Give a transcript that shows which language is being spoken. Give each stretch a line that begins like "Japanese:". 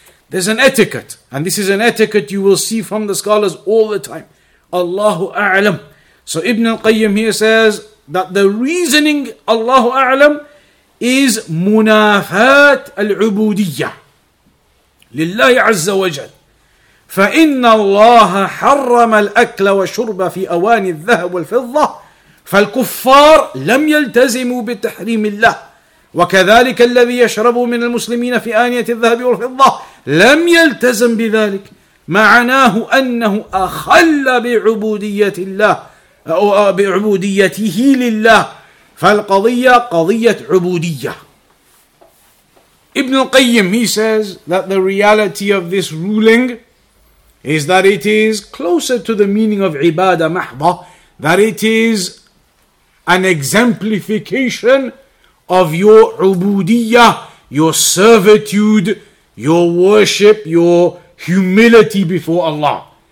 English: There's an etiquette, and this is an etiquette you will see from the scholars all the time. Allahu A'lam. So Ibn al-Qayyim here says that the reasoning, Allahu A'lam, is munafat al-ubudiyyah. Lillahi Azza wa Jal.
Arabic: فَإِنَّ اللَّهَ حَرَّمَ الْأَكْلَ وَشُرْبَ فِي أَوَانِ الذَّهَبُ وَالْفِضَّةِ فَالْكُفَّارُ لَمْ يَلْتَزِمُوا بِتَحْرِيمِ اللَّهِ وكذلك الذي يشرب من المسلمين في آنية الذهب والفضة لم يلتزم بذلك معناه أنه أخل بعبودية الله أو بعبوديته لله فالقضية قضية عبودية.
English: Ibn al-Qayyim, he says that the reality of this ruling is that it is closer to the meaning of
Arabic: عبادة محضة,
English: that it is an exemplification of your ubudiyyah, your servitude, your worship, your humility before Allah.